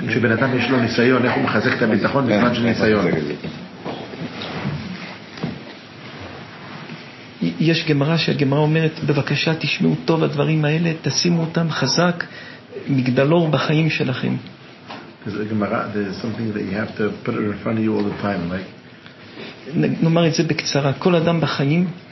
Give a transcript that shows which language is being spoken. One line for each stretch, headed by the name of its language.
Hebrew: כשבן אדם יש לו ניסיון, איך הוא מחזק את הביטחון בזמן של ניסיון? יש גמרא שהגמרא אומרת, בבקשה תשמעו טוב הדברים האלה, תשימו אותם חזק מגדלור בחיים שלכם. זה גמרא, זה
English: something that you have to put it in front of you all the time, like.
Hebrew: נאמר את זה בקצרה, כל אדם בחיים,